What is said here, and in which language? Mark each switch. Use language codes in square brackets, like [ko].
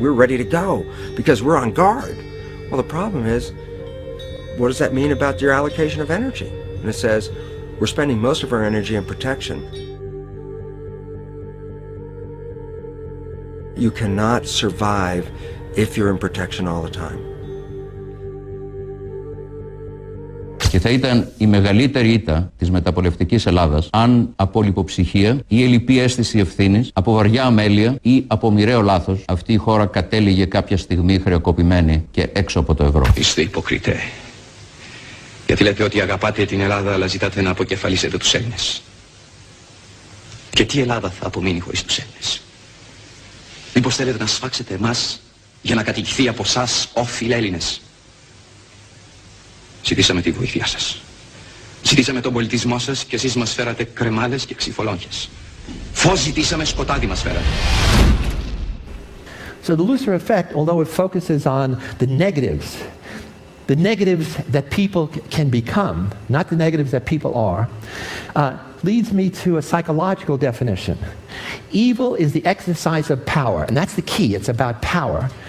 [en] We're ready to go because we're on guard. Well, the problem is, what does that mean about your allocation of energy? And it says, we're spending most of our energy in protection. You cannot survive if you're in protection all the time. [el] Και θα ήταν η μεγαλύτερη ήττα της μεταπολεμικής Ελλάδας αν από λιποψυχία ή ελλιπή αίσθηση ευθύνης, από βαριά αμέλεια ή από μοιραίο λάθος, αυτή η χώρα κατέληγε κάποια στιγμή χρεοκοπημένη και έξω από το ευρώ. Είστε υποκριτέ. Γιατί λέτε ότι αγαπάτε την Ελλάδα αλλά ζητάτε να αποκεφαλίσετε τους Έλληνες. Και τι Ελλάδα θα απομείνει χωρίς τους Έλληνες? Μήπως θέλετε να σφάξετε εμάς για να κατοικηθεί από εσάς όφιλ Έλληνες? Ζητήσαμε τη βοήθειά σας. Ζητήσαμε τον πολιτισμό σας και εσείς μας φέρατε κρεμάλες και ξυφολόγχες. Φως ζητήσαμε, σκοτάδι μας φέρατε. [en] So the Lucifer effect, although it focuses on the negatives that people can become, not the negatives that people are, leads me to a psychological definition. Evil is the exercise of power, and that's the key, it's about power.